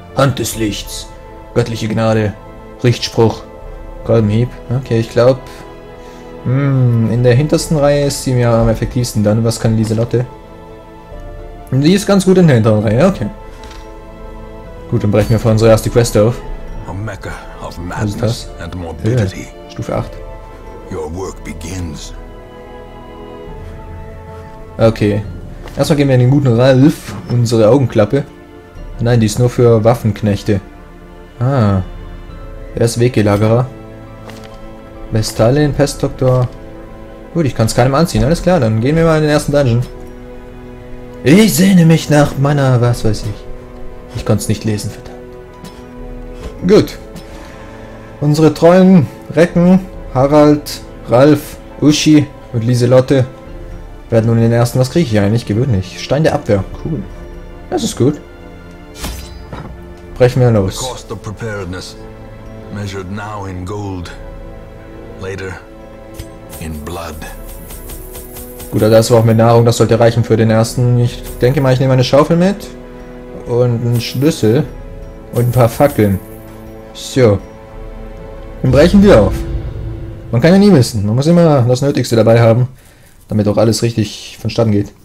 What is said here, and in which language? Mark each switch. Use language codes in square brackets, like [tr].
[de] Hand des Lichts. Göttliche Gnade. Richtspruch. Goldenhieb. Okay, ich glaube. In der hintersten Reihe ist sie mir am effektivsten dann. Was kann Lieselotte? Sie ist ganz gut in der hinteren Reihe, okay. Gut, dann brechen wir vor unsere erste Quest auf. [en] A Mecca of Madness and Morbidity. [de] Ja, Stufe 8. [en] Your work begins. Okay. [de] Erstmal geben wir den guten Ralf unsere Augenklappe. Nein, die ist nur für Waffenknechte. Ah. Er ist Weggelagerer. Vestalin, Pestdoktor. Gut, ich kann es keinem anziehen. Alles klar, dann gehen wir mal in den ersten Dungeon. Ich sehne mich nach meiner, was weiß ich. Ich konnte es nicht lesen, verdammt. Gut. Unsere treuen Recken, Harald, Ralf, Uschi und Lieselotte, werden nun in den ersten, was kriege ich eigentlich? Gewöhnlich. Stein der Abwehr. Cool. Das ist gut. Brechen wir los. [en] The cost of preparedness, measured now in gold, later in blood. [de] Gut, also das war auch mit Nahrung, das sollte reichen für den ersten. Ich denke mal, ich nehme eine Schaufel mit. Und einen Schlüssel und ein paar Fackeln. So. Dann brechen wir auf. Man kann ja nie wissen. Man muss immer das Nötigste dabei haben, damit auch alles richtig vonstatten geht.